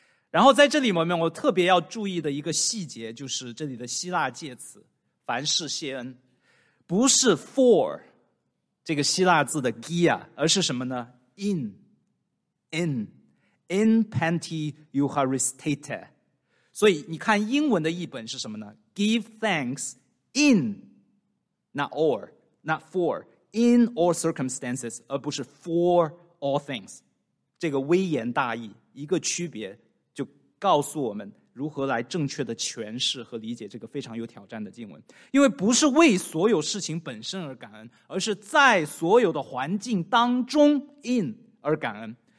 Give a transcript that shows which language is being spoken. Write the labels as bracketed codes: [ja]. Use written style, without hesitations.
[zh] 然后在这里面我特别要注意的一个细节，就是这里的希腊介词凡事谢恩，不是 for 这个希腊字的 gia， 而是什么呢？ [el] in panti eucharistete。 [zh] 所以你看英文的译本是什么呢？ [en] give thanks inNot or, not for, in all circumstances, [zh] 而不是 [en] for all things. [zh] 这个微言大义，一个区别就告诉我们如何来正确的诠释和理解这个非常有挑战的经文。因为不是为所有事情本身而感恩，而是在所有的环境当中 in 而感恩。